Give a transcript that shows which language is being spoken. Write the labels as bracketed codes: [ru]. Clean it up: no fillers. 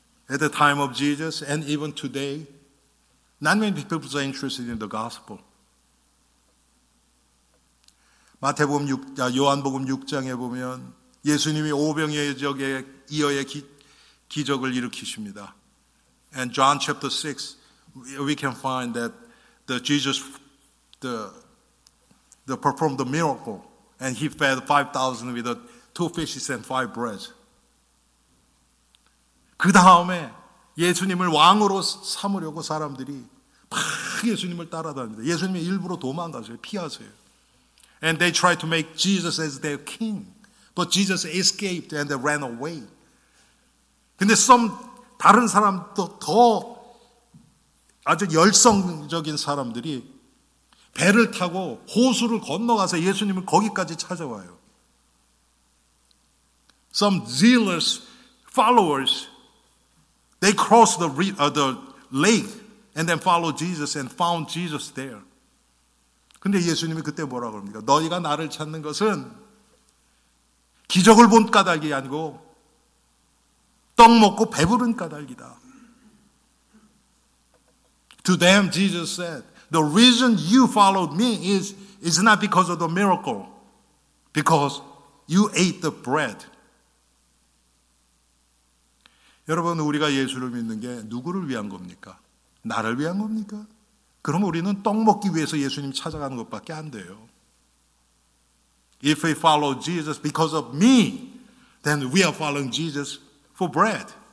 [en] 'At the time of Jesus and even today, not many people are interested in the gospel.' [ko] 마태복음 요한복음 6장에 보면 예수님이 오병이어의 이어의 기적을 일으키십니다. [en] And John chapter 6, we can find that Jesus performed the miracle and he fed 5,000 with two fishes and five breads. [ko] 그 다음에 예수님을 왕으로 삼으려고 사람들이 막 예수님을 따라다닙니다. 예수님이 일부러 도망가세요. 피하세요. [en] And they tried to make Jesus as their king. But Jesus escaped and they ran away. [ko] 근데 다른 사람도 더 아주 열성적인 사람들이 배를 타고 호수를 건너가서 예수님을 거기까지 찾아와요. [en] Some zealous followers, they crossed the lake and then followed Jesus and found Jesus there. [ko] 근데 예수님이 그때 뭐라고 그럽니까? 너희가 나를 찾는 것은 기적을 본 까닭이 아니고 떡 먹고 배부른 까닭이다. [en] To them, Jesus said, the reason you followed me is not because of the miracle, because you ate the bread. [ko] 여러분, 우리가 예수를 믿는 게 누구를 위한 겁니까? 나를 위한 겁니까? 그럼 우리는 떡 먹기 위해서 예수님 찾아가는 것밖에 안 돼요. [en] If we follow Jesus because of me, then we are following Jesus for bread.